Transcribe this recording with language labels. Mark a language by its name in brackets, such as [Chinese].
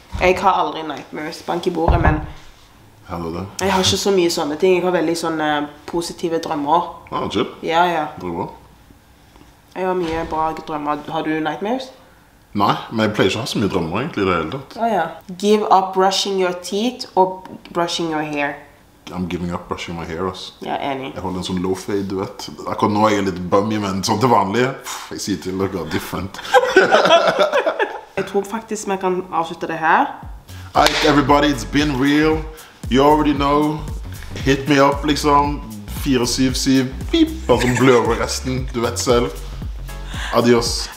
[Norwegian] Jeg har aldri nightmares, bank i bordet, men... Heller det. Jeg har ikke så mye sånne ting, jeg har veldig sånne positive drømmer. Ja, chill. Ja, ja. Drømmer. Jeg har mye bra drømmer. Har du nightmares? Nei, men jeg pleier ikke å ha så mye drømmer egentlig i det hele tatt. Ah, ja. [English] Give up brushing your teeth or brushing your hair? I'm giving up brushing my hair, ass. [Norwegian] Ja, enig. Jeg holder en sånn low fade, du vet. Akkurat nå er jeg litt bummy, men sånn til vanlig. Pff, jeg sier til dere, different. Jeg tror faktisk vi kan avslutte det her. [English] Hey everybody, it's been real. You already know. Hit me up, [Norwegian] liksom. 477, beep. Bare sånn blører resten, du vet selv. Adios.